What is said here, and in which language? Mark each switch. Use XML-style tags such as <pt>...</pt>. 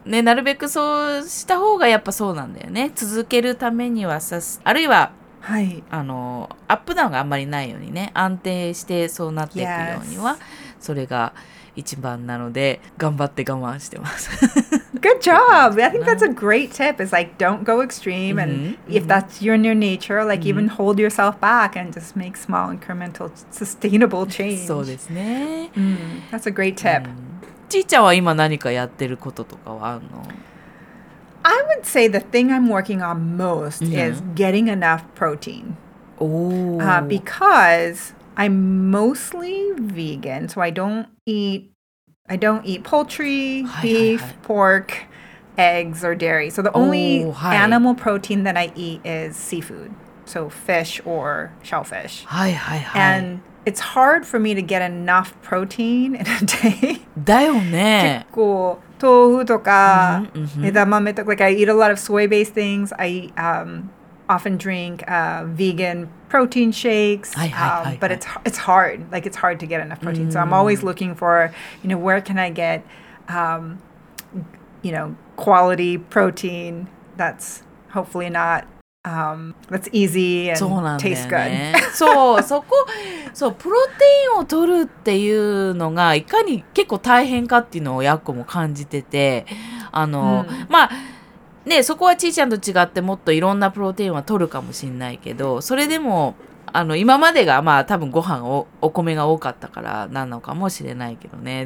<ja>ね、なるべくそうした方がやっぱそうなんだよね。続けるためにはさす、あるいは、はい、あのアップダウンがあんまりないようにね、安定してそうなっていくようには、yes. それが一番なので頑張って我慢してます。</ja> <en>Good job! I think that's a great tip. It's like, don't go extreme. And、mm-hmm. if that's your new nature, like、mm-hmm. even hold yourself back and just make small, incremental, sustainable change.</en> <ja>そうですね。</ja> <en>That's a great tip.</en> <ja>ちーちゃんは今何かやってることとかはあるの?</ja> <en>I would say the thing I'm working on most、mm-hmm. is getting enough protein. Oh. Because I'm mostly vegan, so I don't eat poultry, beef, pork, eggs, or dairy. So the only animal protein that I eat is seafood. So fish or shellfish.</en> <ja>はいはいはい。</ja> <en>And it's hard for me to get enough protein in a day.</en> <ja>だよね。結構豆腐とか枝豆とか、</ja> <en>like I eat a lot of soy-based things. I often drink vegan protein shakes, but it's hard. Like, it's hard to get enough protein.、Mm. So I'm always looking for, you know, where can I get,、you know, quality protein that's hopefully not,、that's easy and、</en> <ja>ね、</ja> <en>tastes good.</en> <ja>そう、そこ、そう、プロテインを取るっていうのがいかに結構大変かっていうのをやっこも感じてて、あの、mm. まあ、ね、そこはちーちゃんと違ってもっといろんなプロテインは取るかもしれないけど、それでもあの今までがまあ多分ご飯をお米が多かったからなのかもしれないけどね。</ja>